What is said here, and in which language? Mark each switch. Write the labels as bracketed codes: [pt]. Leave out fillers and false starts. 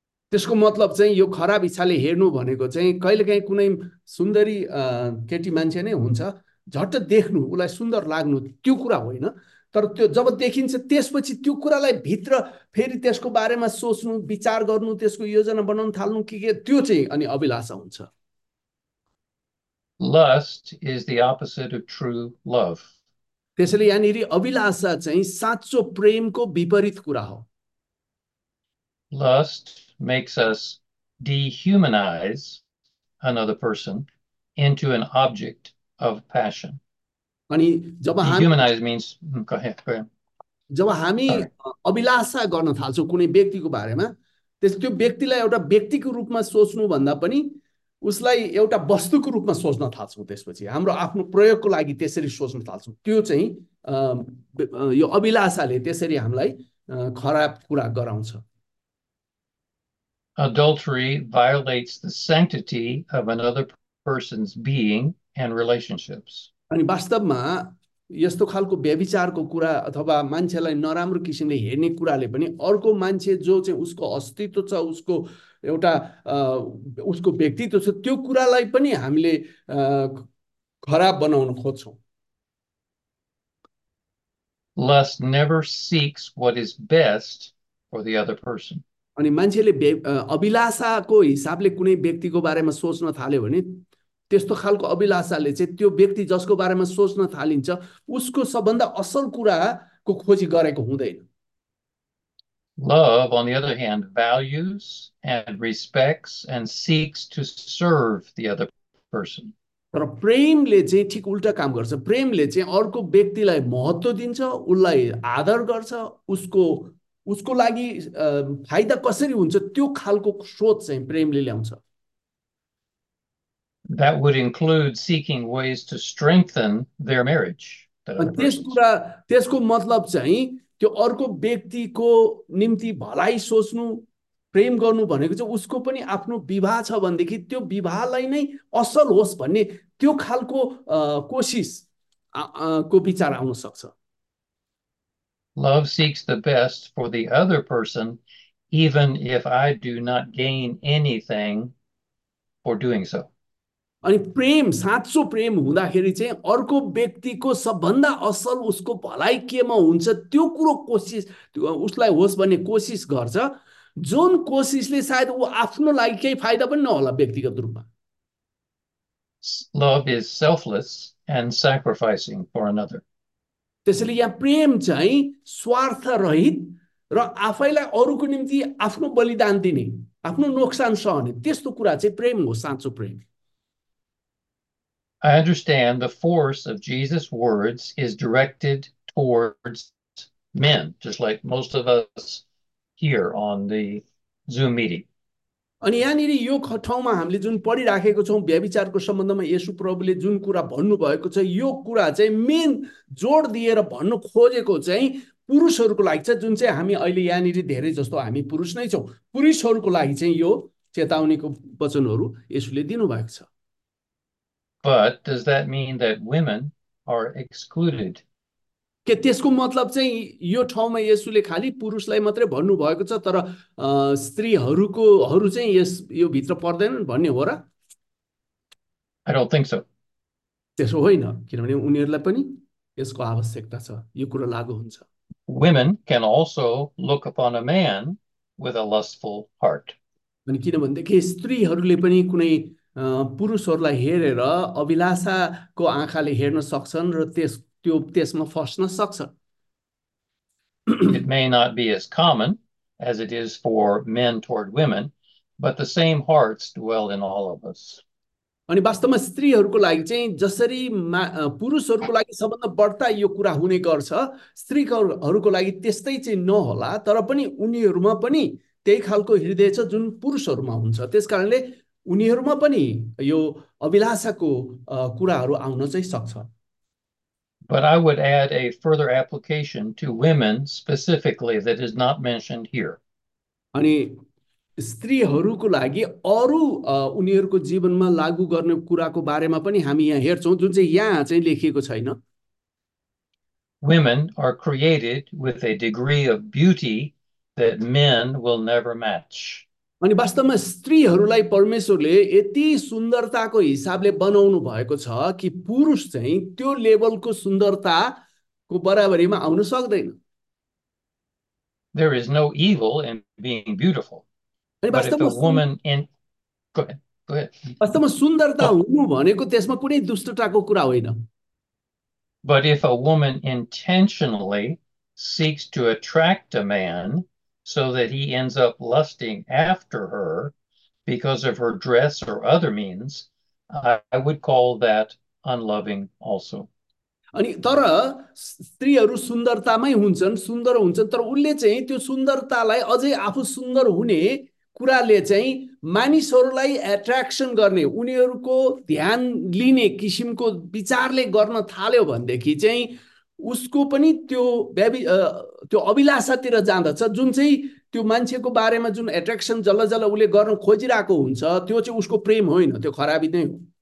[ne] त्यसको मतलब चाहिँ यो खराब इच्छाले हेर्नु भनेको चाहिँ कहिलेकाहीँ कुनै सुन्दरी केटी मान्छे नै हुन्छ, झट्ट देख्नु, उसलाई सुन्दर लाग्नु त्यो कुरा होइन, तर त्यो जब देखिन्छ त्यसपछि त्यो कुरालाई भित्र फेरि त्यसको बारेमा सोच्नु, विचार गर्नु, त्यसको योजना बनाउन थाल्नु के त्यो चाहिँ अनि अभिलाषा हुन्छ। [en] Lust is the opposite of true love. [ne] त्यसैले यहाँनिर अभिलाषा चाहिँ साँचो प्रेमको विपरीत कुरा हो। [en] Lust makes us dehumanize another person into an object of passion. [ne] अनि जब [en] dehumanize means go ahead, go ahead. [ne] जब हामी अभिलाषा गर्न थाल्छौँ कुनै व्यक्तिको बारेमा, त्यस त्यो व्यक्तिलाई एउटा व्यक्तिको रूपमा सोच्नुभन्दा पनि उसलाई एउटा वस्तुको रूपमा सोच्न थाल्छौँ, त्यसपछि हाम्रो आफ्नो प्रयोगको लागि त्यसरी सोच्न थाल्छौँ, त्यो चाहिँ यो अभिलाषाले त्यसरी हामीलाई खराब कुरा गराउँछ। [en] Adultery violates the sanctity of another person's being and relationships. [ne] अनि वास्तवमा यस्तो खालको व्यभिचारको कुरा अथवा मान्छेलाई नराम्रो किसिमले हेर्ने कुराले पनि अर्को मान्छे जो चाहिँ उसको अस्तित्व छ, उसको एउटा उसको व्यक्तित्व छ, त्यो कुरालाई पनि हामीले खराब बनाउन खोज्छौँ। [en] Lust never seeks what is best for the other person. [ne] अनि मान्छेले अभिलाषाको हिसाबले कुनै व्यक्तिको बारेमा सोच्न थाल्यो भने त्यस्तो खालको अभिलाषाले चाहिँ त्यो व्यक्ति जसको बारेमा सोच्न थालिन्छ उसको सबभन्दा असल कुराको खोजी गरेको हुँदैन। [en] Love, on the other hand, values and respects and seeks to serve the other person. [ne] तर प्रेमले चाहिँ ठिक उल्टा काम गर्छ। प्रेमले चाहिँ अर्को व्यक्तिलाई महत्त्व दिन्छ, उसलाई आदर गर्छ, उसको उसको लागि फाइदा कसरी हुन्छ त्यो खालको सोच चाहिँ प्रेमले ल्याउँछ। [en] That would include seeking ways to strengthen their marriage. [ne] त्यसको मतलब चाहिँ त्यो अर्को व्यक्तिको निम्ति भलाइ सोच्नु, प्रेम गर्नु भनेको चाहिँ उसको पनि आफ्नो विवाह छ भनेदेखि त्यो विवाहलाई नै असल होस् भन्ने त्यो खालको कोसिस को विचार आउन सक्छ। [en] Love seeks the best for the other person, even if I do not gain anything for doing so. [ne] अनि प्रेम, साँचो प्रेम हुँदाखेरि चाहिँ अर्को व्यक्तिको सबभन्दा असल उसको भलाइ केमा हुन्छ त्यो कुरो कोसिस उसलाई होस् भन्ने कोसिस गर्छ, जुन कोसिसले सायद ऊ आफ्नो लागि केही फाइदा पनि नहोला व्यक्तिगत रूपमा। [en] Love is selfless and sacrificing for another. [ne] त्यसैले यहाँ प्रेम चाहिँ स्वार्थ रहित र आफैलाई अरूको निम्ति आफ्नो बलिदान दिने, आफ्नो नोक्सान सहने त्यस्तो कुरा चाहिँ प्रेम हो, साँचो प्रेम। [en] I understand the force of Jesus' words is directed towards men, just like most of us here on the Zoom meeting. [ne] अनि यहाँनिर यो ठाउँमा हामीले जुन पढिराखेको छौँ व्यभिचारको सम्बन्धमा येशु प्रभुले जुन कुरा भन्नुभएको छ, यो कुरा चाहिँ मेन जोड दिएर भन्नु खोजेको चाहिँ पुरुषहरूको लागि छ, जुन चाहिँ हामी अहिले यहाँनिर धेरै जस्तो हामी पुरुष नै छौँ, पुरुषहरूको लागि चाहिँ यो चेतावनीको वचनहरू यसुले दिनुभएको छ। [en] But does that mean that women are excluded? [ne] के त्यसको मतलब चाहिँ यो ठाउँमा येशूले खालि पुरुषलाई मात्रै भन्नुभएको छ तर स्त्रीहरूकोहरू चाहिँ यस यो भित्र पर्दैनन् भन्ने हो र? [en] I don't think so. [ne] त्यसो होइन, किनभने उनीहरूलाई पनि यसको आवश्यकता छ, यो कुरो लागू हुन्छ। [en] Women can also look upon a man with a lustful heart. [ne] अनि किनभनेदेखि स्त्रीहरूले पनि कुनै पुरुषहरूलाई हेरेर अभिलाषाको आँखाले हेर्न सक्छन् र त्यस त्यो त्यसमा फस्न सक्छ। [en] It may not be as common as it is for men toward women, but the same hearts dwell in all of us. [ne] अनि वास्तवमा स्त्रीहरूको लागि चाहिँ जसरी पुरुषहरूको लागि सबभन्दा बढ्ता यो कुरा हुने गर्छ, स्त्रीहरूको लागि त्यस्तै चाहिँ नहोला, तर पनि उनीहरूमा पनि त्यही खालको हृदय छ जुन पुरुषहरूमा हुन्छ, त्यस कारणले उनीहरूमा पनि यो अभिलाषाको कुराहरू आउन चाहिँ सक्छ। [en] But I would add a further application to women specifically that is not mentioned here. [ne] अनि स्त्रीहरूको लागि अरू उनीहरूको जीवनमा लागू गर्ने कुराको बारेमा पनि हामी यहाँ हेर्छौँ जुन चाहिँ यहाँ चाहिँ लेखिएको छैन। [en] Women are created with a degree of beauty that men will never match. [ne] अनि वास्तवमा स्त्रीहरूलाई परमेश्वरले यति सुन्दरताको हिसाबले बनाउनु भएको छ कि पुरुष चाहिँ त्यो लेभलको सुन्दरताको बराबरीमा आउन सक्दैन। [en] There is no evil in being beautiful. [ne] अनि [en] But if a woman in... Go ahead. Go ahead. [ne] वास्तवमा सुन्दरता हुनु भनेको त्यसमा कुनै दुष्टताको कुरा होइन। [en] But if a woman intentionally seeks to attract a man so that he ends up lusting after her because of her dress or other means, I would call that unloving also. [ne] अनि तर स्त्रीहरू सुन्दरतामै हुन्छन्, सुन्दर हुन्छन्, तर उनले चाहिँ त्यो सुन्दरतालाई अझै आफू सुन्दर हुने कुराले चाहिँ मानिसहरूलाई एट्र्याक्सन गर्ने, उनीहरूको ध्यान लिने किसिमको विचारले गर्न थाल्यो भनेदेखि चाहिँ उसको पनि त्यो त्यो अभिलाषातिर जाँदछ, जुन चाहिँ त्यो मान्छेको बारेमा जुन एट्र्याक्सन जल्ल जल्ल उसले गर्न खोजिरहेको हुन्छ त्यो चाहिँ उसको प्रेम होइन, त्यो खराबी नै हो।